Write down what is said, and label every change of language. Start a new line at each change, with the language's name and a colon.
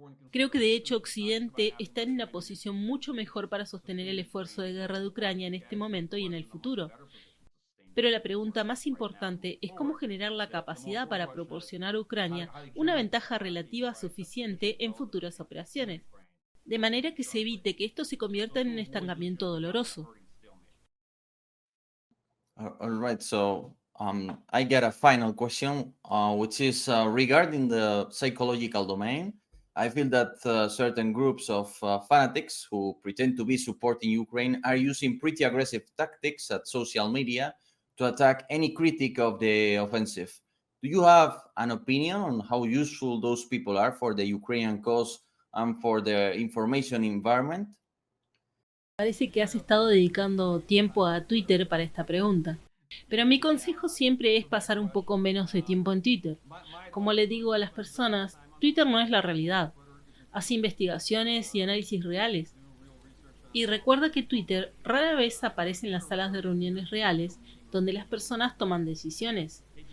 Spanish: Creo que de hecho Occidente está en una posición mucho mejor para sostener el esfuerzo de guerra de Ucrania en este momento y en el futuro. Pero la pregunta más importante es cómo generar la capacidad para proporcionar a Ucrania una ventaja relativa suficiente en futuras operaciones, de manera que se evite que esto se convierta en un estancamiento doloroso.
English: All right, so I got a final question, which is regarding the psychological domain. I feel that certain groups of fanatics who pretend to be supporting Ukraine are using pretty aggressive tactics at social media to attack any critic of the offensive. Do you have an opinion on how useful those people are for the Ukrainian cause and for the information environment?
Spanish: Parece que has estado dedicando tiempo a Twitter para esta pregunta. Pero mi consejo siempre es pasar un poco menos de tiempo en Twitter. Como le digo a las personas, Twitter no es la realidad. Hace investigaciones y análisis reales. Y recuerda que Twitter rara vez aparece en las salas de reuniones reales donde las personas toman decisiones.